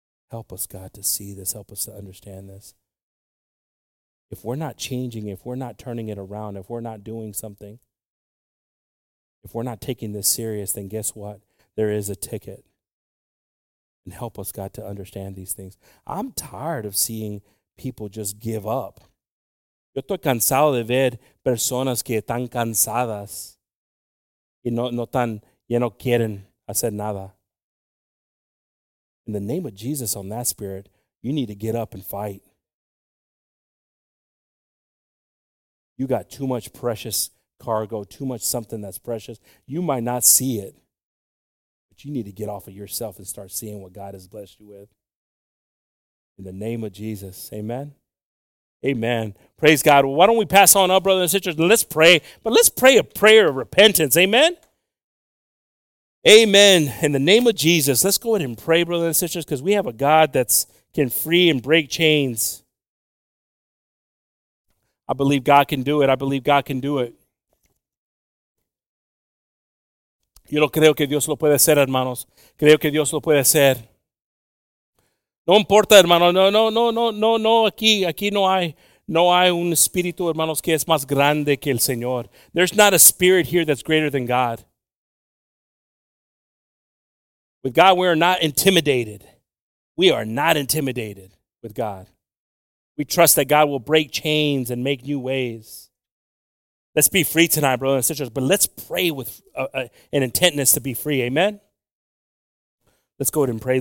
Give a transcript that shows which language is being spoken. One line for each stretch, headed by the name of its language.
English: Help us, God, to see this. Help us to understand this. If we're not changing, if we're not turning it around, if we're not doing something, if we're not taking this serious, then guess what? There is a ticket. And help us, God, to understand these things. I'm tired of seeing people just give up.
Spanish: Yo estoy cansado de ver personas que están cansadas y no quieren hacer nada.
English: In the name of Jesus, on that spirit, you need to get up and fight. You got too much precious cargo, too much something that's precious. You might not see it. But you need to get off of yourself and start seeing what God has blessed you with. In the name of Jesus, amen? Amen. Praise God. Why don't we pass on up, brothers and sisters, and let's pray. But let's pray a prayer of repentance, amen? Amen. In the name of Jesus, let's go ahead and pray, brothers and sisters, because we have a God that can free and break chains. I believe God can do it. I believe God can do it.
Spanish: Yo lo creo que Dios lo puede hacer, hermanos. Creo que Dios lo puede hacer. No importa, hermanos. No. Aquí no hay un espíritu, hermanos, que es más grande que el Señor.
English: There's not a spirit here that's greater than God. With God, we are not intimidated. We are not intimidated with God. We trust that God will break chains and make new ways. Let's be free tonight, brothers and sisters, but let's pray with an intentness to be free. Amen? Let's go ahead and pray.